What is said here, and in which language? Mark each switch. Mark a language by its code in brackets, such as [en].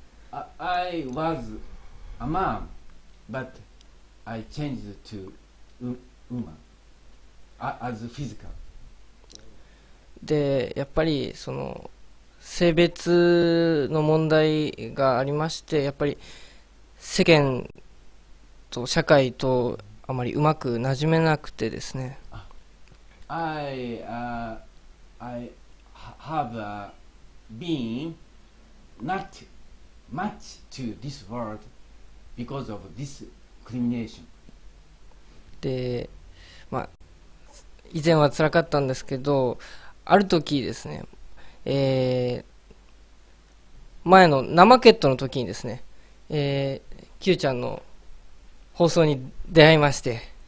[en] I was a man but I changed to woman as physical。 [ja] でやっぱりその性別の問題がありまして、やっぱり世間と社会とあまりうまくなじめなくてですね。 [en] I have been not much to this world because of this discrimination。 [ja] で、まあ以前は辛かったんですけど。ある時ですね、前の生ケットの時にですね、キューちゃんの放送に出会いまして、